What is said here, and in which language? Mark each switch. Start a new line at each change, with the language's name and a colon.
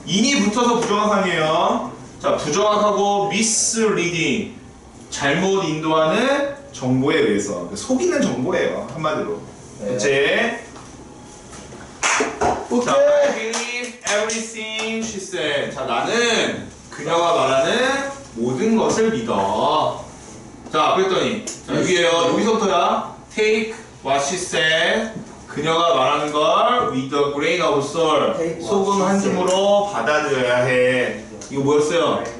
Korean: in이 붙어서 부정확한이에요. 자, 부정확하고 misleading. 잘못 인도하는 정보에 의해서 속이는 정보예요 한마디로. 네. 그치?
English: 오케이. 자, I believe everything she said.
Korean: 자, 나는 그녀가 말하는 모든 것을 믿어. 자, 그랬더니 자, 여기에요. 여기서부터야
English: take what she said
Korean: 그녀가 말하는 걸
English: with a grain of salt
Korean: 소금 한 줌으로 받아들여야 해. 이거 뭐였어요?